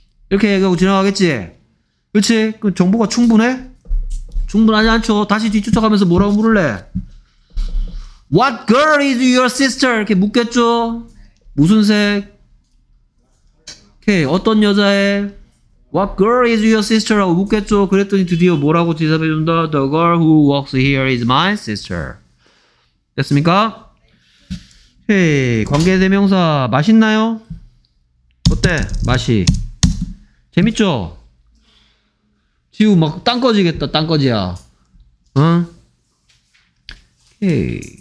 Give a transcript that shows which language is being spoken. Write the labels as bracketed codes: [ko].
[ko] 이렇게 얘기하고 지나가겠지? 그렇지? 그럼 정보가 충분해? 충분하지 않죠? 다시 뒤쫓아가면서 뭐라고 물을래? [en] What girl is your sister? [ko] 이렇게 묻겠죠? 무슨 색? 오케이. 어떤 여자애? [en] What girl is your sister? [ko] 라고 묻겠죠? 그랬더니 드디어 뭐라고 대답해준다? [en] The girl who works here is my sister. [ko] 됐습니까? 헤이, 관계대명사 맛있나요? 어때? 맛이 재밌죠? 지우 막 땅 꺼지겠다. 땅 꺼지야. 응? 헤이.